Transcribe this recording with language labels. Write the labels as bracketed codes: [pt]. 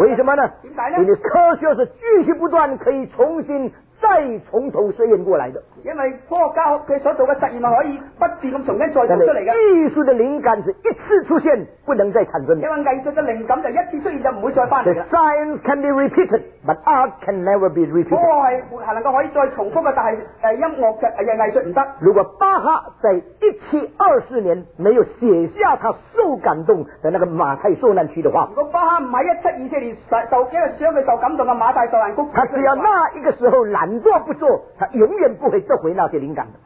[zh] 为什么呢？因为科学是继续不断可以重新再从头实验过来的。因为科学家他所做的实验可以不断地重新再做出来的。艺术的灵感是一次出现不能再产生的。因为艺术的灵感就一次出现就不会再回来的。 [en] Science can be repeated, but art can never be repeated. [zh] 科学是能够可以再重复的，但是音乐的艺术不行。如果巴哈在1724年没有写下他受感动的那个马太受难曲的话，如果巴哈不是1724年受因为想他受感动的马太受难曲，他只要那一个时候懒惰不做，他永远不会得回那些灵感的。